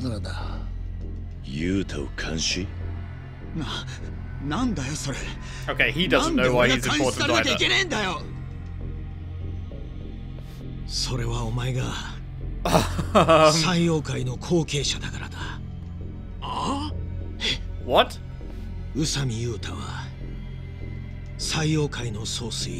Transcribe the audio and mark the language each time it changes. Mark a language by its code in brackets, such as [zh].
[ja] なんで俺がユータを王子の父親としたかってどこまでなったよな。そもそもの話、一番最初に沢村遥の妊娠に気がついたのはこの松江と達川でね。それがなぜかって言うと、こいつらユータのことをおかげの頃からずっと監視していたからだ。ユータを監視？なんだよそれ。 [en] Okay, he doesn't know why he's important either. [ja] それはお前が採用会の後継者だからだ。あ？ [en] What? [ja] ウサミユータは採用会の総帥。